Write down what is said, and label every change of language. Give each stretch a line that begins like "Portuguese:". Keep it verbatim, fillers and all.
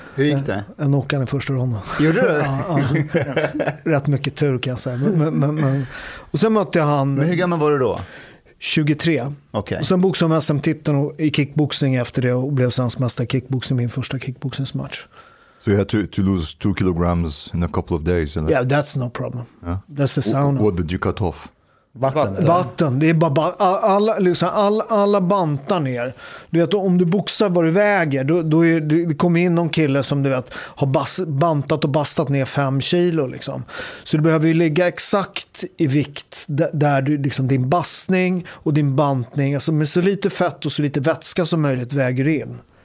Swedish: Hur gick det? Jag knockade i första ronden. Gjorde du? ja, ja. Rätt mycket tur kan jag säga. Men, men, men, men. Och sen mötte jag han. Men hur gammal var du då? tjugotre. Okay. Och sen boxade jag S M-titeln i kickboxning efter det och blev svensk mästare i kickboxning, min första kickboxningsmatch.
English: So you had to, to lose two kilograms in a couple of days? Yeah, that's no problem. Yeah. That's the sauna. What did you cut off?
Swedish: Vatten. Vatten. Vatten. Det är bara ba- alla, liksom, alla, alla bantar ner. Du vet, om du boxar vad du väger, då, då är, det kommer in någon kille som du vet har bas, bantat och bastat ner fem kilo. Liksom. Så du behöver ju ligga exakt i vikt där, där du, liksom, din bastning och din bantning, alltså med så lite fett och så lite vätska som möjligt väger in.